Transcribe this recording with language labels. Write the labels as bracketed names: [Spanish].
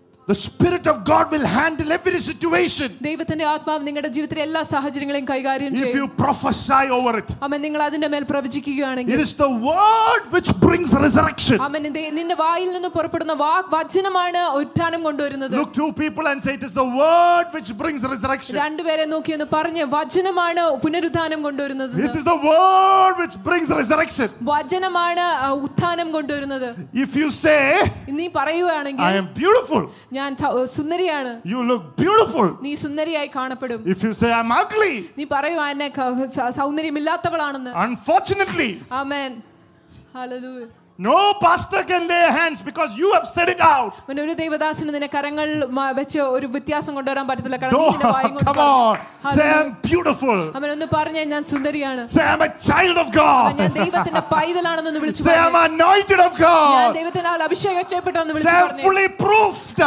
[English] The spirit of God will handle every situation. [Malayalam] ദൈവത്തിന്റെ ആത്മാവ് നിങ്ങളുടെ ജീവിതത്തിലെ എല്ലാ സാഹചര്യങ്ങളെയും കൈകാര്യം ചെയ്യും. [English] If you prophesy over it. [Malayalam] അമേൻ. നിങ്ങൾ അതിന്റെ മേൽ പ്രവചിക്കുകയാണെങ്കിൽ, [English] it is the word which brings resurrection. [Malayalam] അമേൻ. നിന്റെ വായിൽ നിന്ന് പുറപ്പെടുന്ന വചനമാണ് ഉത്ഥാനം കൊണ്ടുവരുന്നത്. [English] Look two people and say it is the word which brings resurrection. [Malayalam] രണ്ട് പേരെ നോക്കി എന്ന് പറഞ്ഞു, വചനമാണ് പുനരുത്ഥാനം കൊണ്ടുവരുന്നത്. [English] It is the word which brings resurrection. [Malayalam] വചനമാണ് ഉത്ഥാനം കൊണ്ടുവരുന്നത്. [English] If you say, [Malayalam] നീ പറയുകയാണെങ്കിൽ, [English] I am beautiful. [Malayalam] ഞാൻ സുന്ദരിയാണ്. [English] You look beautiful. [Malayalam] നീ സുന്ദരിയായി കാണപ്പെടും. [English] If you say I'm ugly. [Malayalam] നീ പറയൂ എന്നെ സൗന്ദര്യമില്ലാത്തവളാണെന്ന്. [English] Unfortunately. Amen. Hallelujah. No pastor can lay hands because you have said it out. [Malayalam] When ഒരു ദൈവദാസന് നിന്റെ കരങ്ങൾ വെച്ച് ഒരു വ്യത്യാസം കൊണ്ടുവരാൻ പറ്റില്ല. കരങ്ങൾ നിന്റെ വായിങ്ങോട്ട്. [English] Come on. Say I'm beautiful. [Malayalam] അവൻ ഒന്ന് പറഞ്ഞു, ഞാൻ സുന്ദരിയാണ്. [English] Say I'm a child of God. [Malayalam] ഞാൻ ദൈവത്തിന്റെ പൈതലാണെന്ന് ഒന്ന് വിളിച്ചു പറഞ്ഞു. [English] Say I'm anointed of God. [Malayalam] ഞാൻ ദൈവത്തിനാൽ അഭിഷേകിക്കപ്പെട്ടവനാണ് എന്ന് വിളിച്ചു പറഞ്ഞു. [English] Say fully proofed.